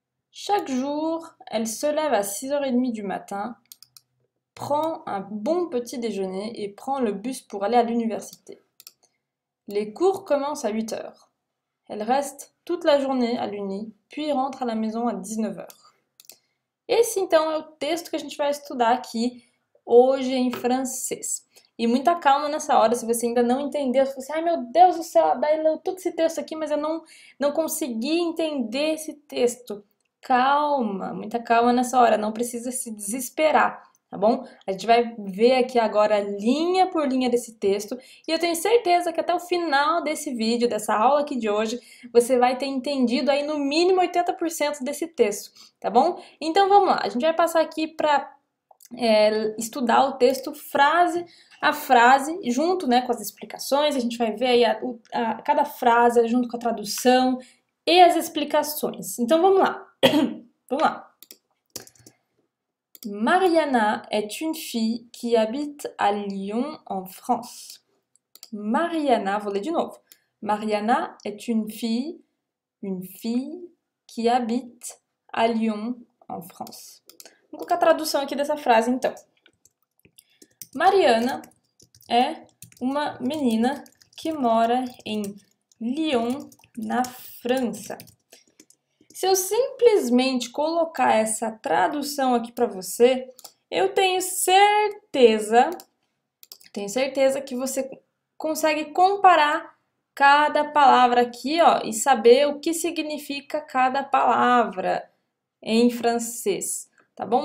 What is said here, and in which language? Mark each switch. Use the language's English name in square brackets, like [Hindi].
[French] Chaque jour, elle se lève à 6h30 du matin, prend un bon petit déjeuner et prend le bus pour aller à l'université. Les cours commencent à 8h. Elle reste toute la journée à l'uni, puis rentre à la maison à 19h. [Portuguese] Esse então é o texto que a gente vai estudar aqui hoje em francês. E muita calma nessa hora, se você ainda não entendeu, se você, ai meu Deus do céu, daí leu todo esse texto aqui, mas eu não consegui entender esse texto. Calma, muita calma nessa hora, não precisa se desesperar, tá bom? A gente vai ver aqui agora linha por linha desse texto e eu tenho certeza que até o final desse vídeo, dessa aula aqui de hoje, você vai ter entendido aí no mínimo 80% desse texto, tá bom? Então vamos lá, a gente vai passar aqui para estudar o texto frase a frase, junto, né, com as explicações, a gente vai ver aí cada frase junto com a tradução e as explicações. Então vamos lá. [French] Mariana est une fille qui habite à Lyon en France. Mariana, vous l'avez de nouveau. Mariana est une fille qui habite à Lyon en France. [Portuguese] Vamos colocar a tradução aqui dessa frase, então. Mariana é uma menina que mora em Lyon, na França. Se eu simplesmente colocar essa tradução aqui para você, eu tenho certeza que você consegue comparar cada palavra aqui, ó, e saber o que significa cada palavra em francês, tá bom?